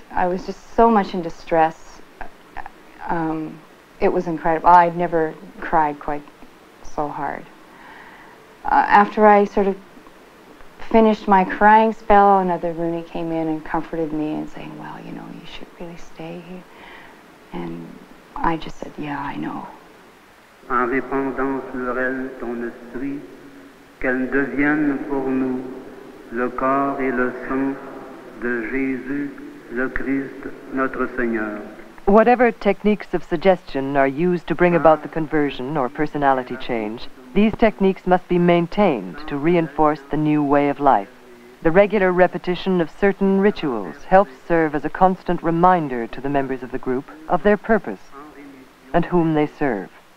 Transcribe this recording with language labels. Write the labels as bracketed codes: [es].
[en] I was just so much in distress. It was incredible. I'd never cried quite so hard. After I sort of finished my crying spell, another Rooney came in and comforted me and saying, well, you know, you should really stay here. And I just said, yeah, I know. [fr] En répandant sur elle ton esprit, qu'elle devienne pour nous le corps et le sang de Jésus, le Christ, notre Seigneur. [en] Whatever techniques of suggestion are used to bring about the conversion or personality change, these techniques must be maintained to reinforce the new way of life. The regular repetition of certain rituals helps serve as a constant reminder to the members of the group of their purpose and whom they serve.